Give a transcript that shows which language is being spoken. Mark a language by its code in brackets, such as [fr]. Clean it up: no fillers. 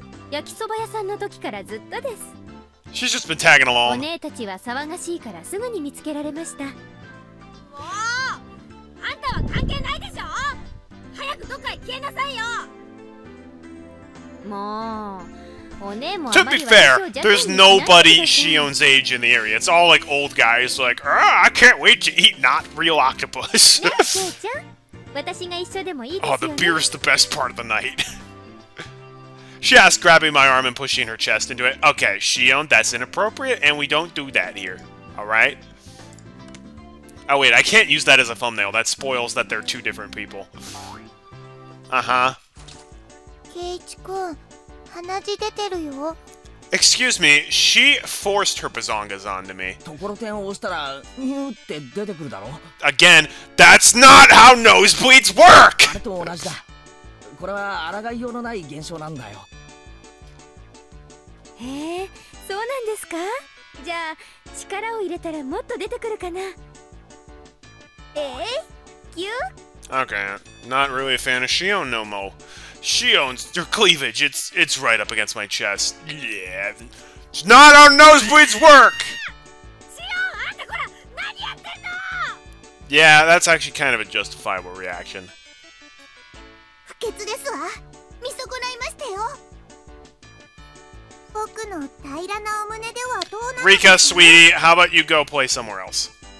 [ja] 焼きそば屋さんの時からずっとです。 [en] She's just been tagging along. [ja] お姉たちは騒がしいからすぐに見つけられました。もう、あんたは関係ないでしょ。早くどっかへ消えなさいよ。もう、お姉も [en] To be fair, there's nobody Shion's age in the area. It's all like old guys, like, I can't wait to eat not real octopus. [ja] 私が一緒でもいいですよね。 [en] Oh, the beer is the best part of the night. She asked, grabbing my arm and pushing her chest into it. Okay, Shion, that's inappropriate, and we don't do that here. Alright? Oh, wait, I can't use that as a thumbnail. That spoils that they're two different people. Uh-huh. [ja] Keiichi-kun, 鼻血出てるよ。 [en] Excuse me, she forced her bazongas onto me. [ja] ところてんを押したら、ニューって出てくるだろ。 [en] Again, that's not how nosebleeds work! [ja] あれとも同じだ。これは抗いようのない現象なんだよ。へえ、そうなんですか。じゃあ力を入れたらもっと出てくるかな。ぎゅ。 [en] Okay, not really a fan of Shion no more. Shion's your cleavage. It's right up against my chest. Yeah, it's not how nosebleeds work. [ja] Shion, あんたこら、何やってんの。 [en] Yeah, that's actually kind of a justifiable reaction. [ja] 血ですわ。見損ないましたよ。僕の平らなお胸ではどうなるか。 [en] Rika, sweetie, how about you go play somewhere else?